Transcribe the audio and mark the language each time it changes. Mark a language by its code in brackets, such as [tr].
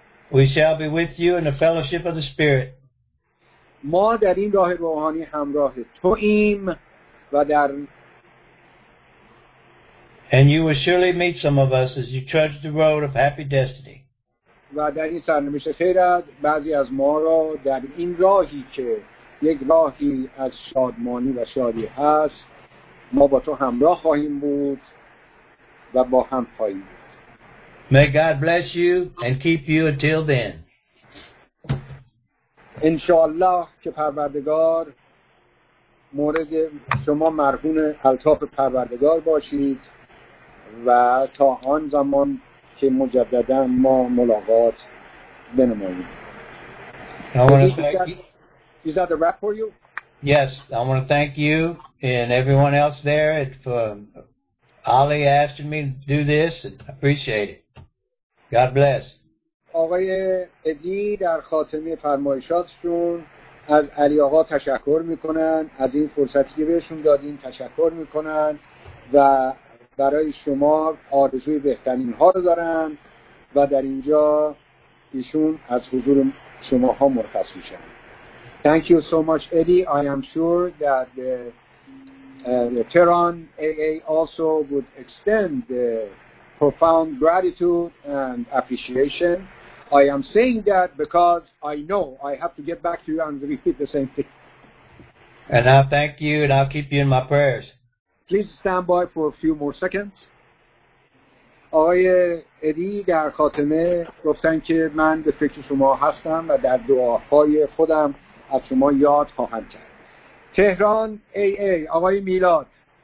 [en] We shall be with you in the fellowship of the Spirit. [fa] ما در این راه روحانی همراه تو ایم و در [en] And you will surely meet some of us as you trudge the road of happy destiny. [fa] و در این سرنوشت خیرت بعضی از ما را در این راهی که یک راهی از شادمانی و شادی هست ما با تو همراه خواهیم بود و با هم خواهیم بود. [en] May God bless you and keep you until then. [fa] انشاءالله که پروردگار مورد شما مرهون التاف پروردگار باشید و تا آن زمان که مجددا ما ملاقات بنماییم. [en] Is that the wrap for you? Yes, I want to thank you and everyone else there for Ali asking me to do this and appreciate it. God bless. [fa] آقای ادی در خاتمه فرمایشاتشون از علی آقا تشکر میکنن، از این فرصتی که بهشون دادین تشکر میکنن و برای شما آرزوی بهترین ها رو دارن و در اینجا ایشون از حضور شما ها مرخص میشن. [en] Thank you so much, Eddie. I am sure that the Tehran AA also would extend the profound gratitude and appreciation. I am saying that because I know I have to get back to you and repeat the same thing. And I thank you and I'll keep you in my prayers. Please stand by for a few more seconds. [fa] آقای ادی در خاتمه گفتن که من به فکر شما هستم و در دعاهای خودم از شما یاد خواهم کرد. تهران AA آقای میلاد